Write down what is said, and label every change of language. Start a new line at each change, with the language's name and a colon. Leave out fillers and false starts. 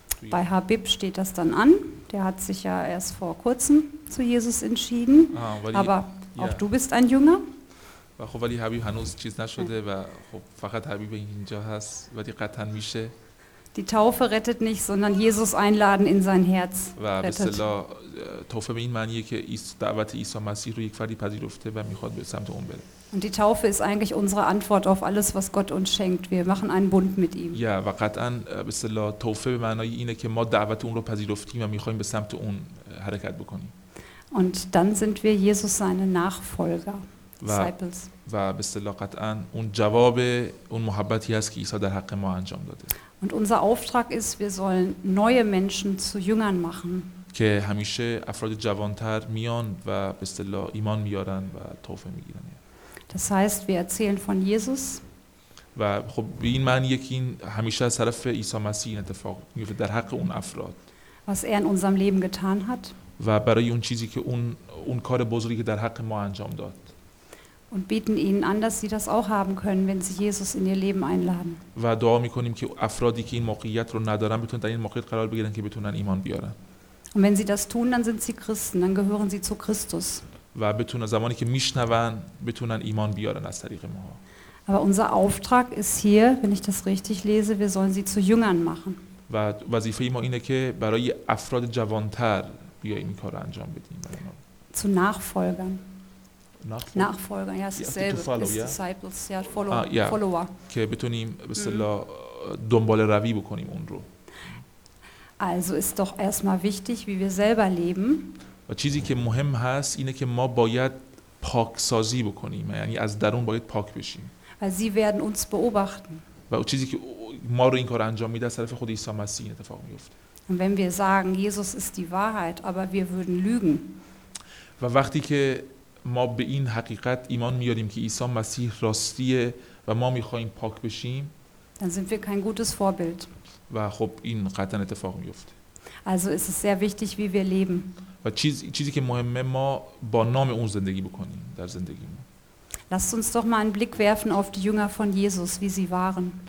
German: Bei Habib steht das dann an. Der hat sich ja erst vor kurzem zu Jesus entschieden. Aber auch du bist ein Jünger.
Persian: و خب ولی حبیب هنوز چیز نشده و خب فقط حبیب اینجا هست ولی قطعا میشه.
German: Die Taufe rettet nicht, sondern Jesus einladen in sein Herz.
Persian: و به اصطلاح توفه به این معنیه که دعوت عیسی مسیح رو یک فردی پذیرفته و میخواد به سمت اون بره.
German: Und die Taufe ist eigentlich unsere Antwort auf alles, was Gott uns schenkt. Wir machen einen Bund mit ihm.
Persian: Ja, و قطعا به اصطلاح توفه به معنای اینه که ما دعوت اون رو پذیرفتیم و میخوایم به سمت اون حرکت بکنیم.
German: Und dann sind wir Jesus seine Nachfolger.
Persian: و به اصطلاح قطعا اون جواب اون محبتی است که عیسی در حق ما انجام داده.
German: Und unser Auftrag ist, wir sollen neue Menschen zu Jüngern machen.
Persian: که همیشه افراد جوانتر میان و به اصطلاح ایمان میارن و توفه میگیرن.
German: Das heißt, wir erzählen von Jesus.
Persian: و خب به این معنی که این همیشه از طرف عیسی مسیح این اتفاق میفته در حق اون افراد.
German: Was er in unserem Leben getan hat.
Persian: و برای اون چیزی که اون کار بزرگی که در حق ما انجام داد.
German: Und bieten ihnen an, dass sie das auch haben können, wenn sie Jesus in ihr Leben einladen.
Persian: و دعا میکنیم که افرادی که این موقعیت رو ندارن بتونن در این موقعیت قرار بگیرن که بتونن ایمان بیارن.
German: Und wenn sie das tun, dann sind sie Christen, dann gehören sie zu Christus.
Persian: و بتونن زمانی که میشنون بتونن ایمان بیارن از طریق ما.
German: Aber unser Auftrag ist hier, wenn ich das richtig lese, wir sollen sie zu Jüngern machen.
Persian: و وظیفه ما اینه که برای افراد جوانتر بیاییم این کار رو انجام بدیم.
German: Zu Nachfolgern. Nachfolger, ja, ist dasselbe, ist Disciples, ja, Follower.
Persian: که بتونیم به اصطلاح دنبال روی بکنیم اون رو.
German: Also ist doch erstmal wichtig, wie wir selber leben.
Persian: و چیزی که مهم هست اینه که ما باید پاکسازی بکنیم، یعنی از درون باید پاک بشیم.
German: Weil sie werden uns beobachten.
Persian: و چیزی که ما رو این کار انجام میده از طرف خود عیسی مسیح این اتفاق میفته.
German: Und wenn wir sagen, Jesus ist die Wahrheit, aber wir würden lügen.
Persian: و وقتی که ما به این حقیقت ایمان میاریم که عیسی مسیح راستیه و ما میخواییم پاک بشیم.
German: Dann sind wir kein gutes Vorbild.
Persian: و خب این قطعا اتفاق میفته.
German: Also ist es sehr wichtig, wie wir leben.
Persian: و چیزی که مهمه ما با نام اون زندگی بکنیم در زندگی ما.
German: Lasst uns doch mal einen Blick werfen auf die Jünger von Jesus, wie sie waren.